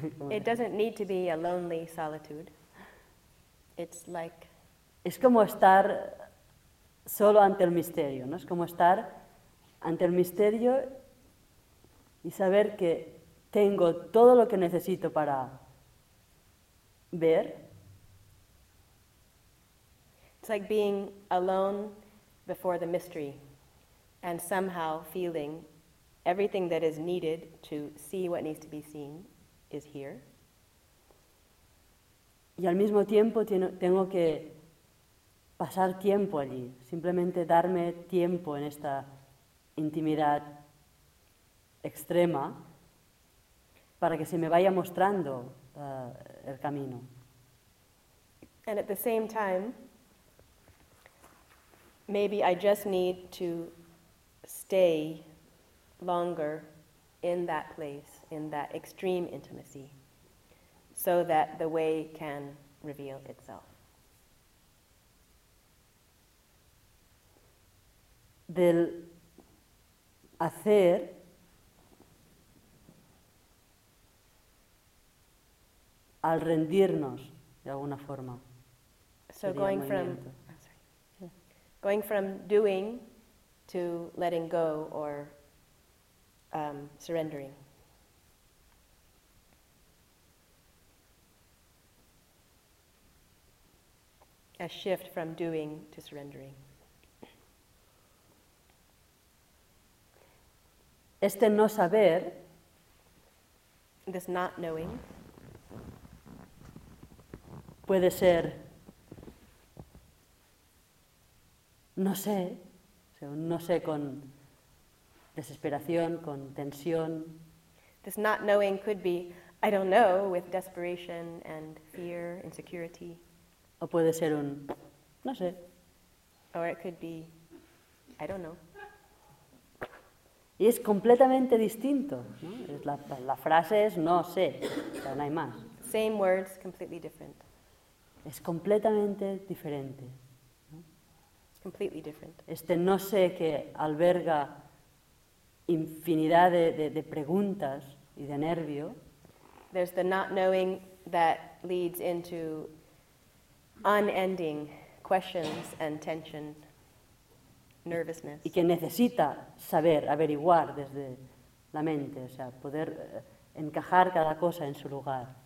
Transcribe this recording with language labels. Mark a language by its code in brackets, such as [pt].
[en] It doesn't need to be a lonely solitude. It's like [es] es como estar solo ante el misterio, ¿no? Es como estar ante el misterio y saber que tengo todo lo que necesito para ver. [en] It's like being alone before the mystery and somehow feeling everything that is needed to see what needs to be seen. Is here. [es] Y al mismo tiempo tengo que pasar tiempo allí, simplemente darme tiempo en esta intimidad extrema para que se me vaya mostrando el camino. [en] And at the same time, maybe I just need to stay longer in that place, in that extreme intimacy, so that the way can reveal itself. [es] Del hacer al rendirnos de alguna forma. [en] So going from, going from doing to letting go or surrendering. A shift from doing to surrendering. [es] Este no saber, [en] this not knowing, [es] puede ser no sé, o sea, no sé con desesperación, con tensión. [en] This not knowing could be, I don't know, with desperation and fear, insecurity. [es] O puede ser un, no sé. [en] Or it could be, I don't know. [es] Y es completamente distinto, ¿no? La frase es, no sé, pero no hay más. [en] Same words, completely different. [es] Es completamente diferente, ¿no? [en] It's completely different. [es] Este no sé que alberga infinidad de preguntas y de nervio. [en] There's the not knowing that leads into unending questions and tension, nervousness. [es] Y que necesita saber, averiguar desde la mente, o sea, poder encajar cada cosa en su lugar.